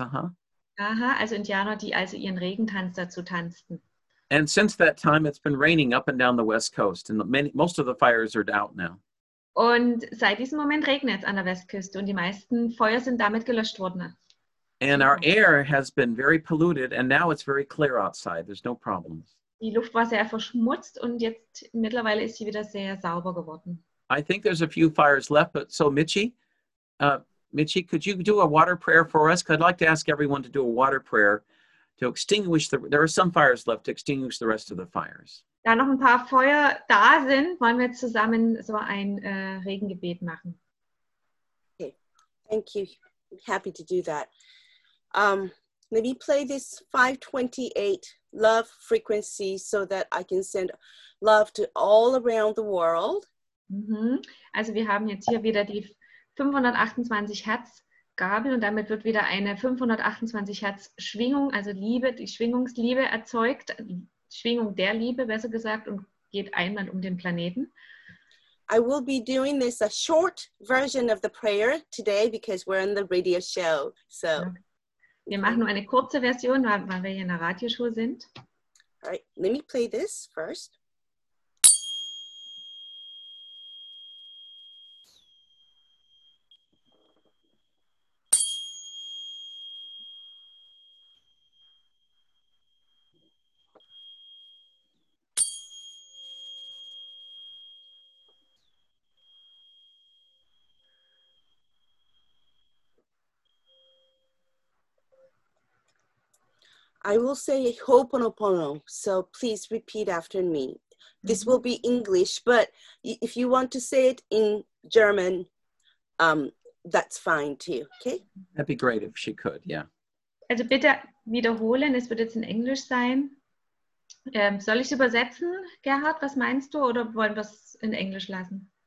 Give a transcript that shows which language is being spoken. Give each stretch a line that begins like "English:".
German: Also Indianer, die also ihren Regentanz dazu tanzten.
English: And since that time, it's been raining up and down the West Coast, and most of the fires are out now.
German: Und seit diesem Moment regnet es an der Westküste, und die meisten Feuer sind damit gelöscht worden.
English: And our air has been very polluted, and now it's very clear outside. There's no problems.
German: Die Luft war sehr verschmutzt, und jetzt mittlerweile ist sie wieder sehr sauber geworden.
English: I think there's a few fires left, but so Michi, could you do a water prayer for us? Because I'd like to ask everyone to do a water prayer to extinguish there are some fires left, to extinguish the rest of the fires.
German: Da noch ein paar Feuer da sind, wollen wir zusammen so ein Regengebet machen.
English: Okay, thank you. I'm happy to do that. Let me play this 528 love frequency so that I can send love to all around the world.
German: Also wir haben jetzt hier wieder die 528 Hertz Gabel, und damit wird wieder eine 528 Hertz Schwingung, also Liebe, die Schwingungsliebe erzeugt, Schwingung der Liebe besser gesagt, und geht einmal um den Planeten.
English: I will be doing this a short version of the prayer today because we're in the radio show. So okay.
German: Wir machen nur eine kurze Version, weil wir hier in der Radioshow sind.
English: All right, let me play this first. I will say Ho'oponopono, so please repeat after me. This will be English, but if you want to say it in German, that's fine too, okay? That'd be great if she could, yeah.
German: Also bitte wiederholen, es wird jetzt in Englisch sein. Soll ich übersetzen, Gerhard, was meinst du, oder wollen wir es in Englisch lassen?